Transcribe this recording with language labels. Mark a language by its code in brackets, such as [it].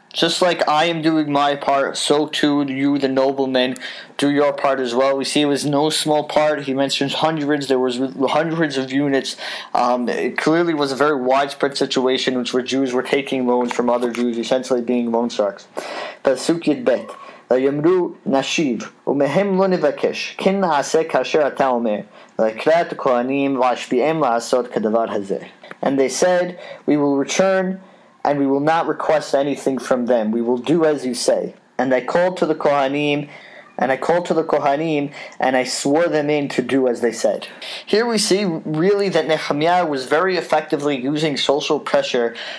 [en] Just like I am doing my part, so too you, the noblemen, do your part as well. We see it was no small part. He mentions hundreds. There was hundreds of units. It clearly was a very widespread situation, which where Jews were taking loans from other Jews, essentially being loan sharks. [he] Pasuk Yud Bet. ויאמרו נשיב, ומהם לא נבקש, כן נעשה כאשר אתה אומר, ויקרא את הכהנים ואשביעם לעשות כדבר הזה. [en] And they said, we will return, and we will not request anything from them. We will do as you say. And they called to the Kohanim, And I called to the Kohanim, and I swore them in to do as they said. Here we see, really, that Nehemya was very effectively using social pressure.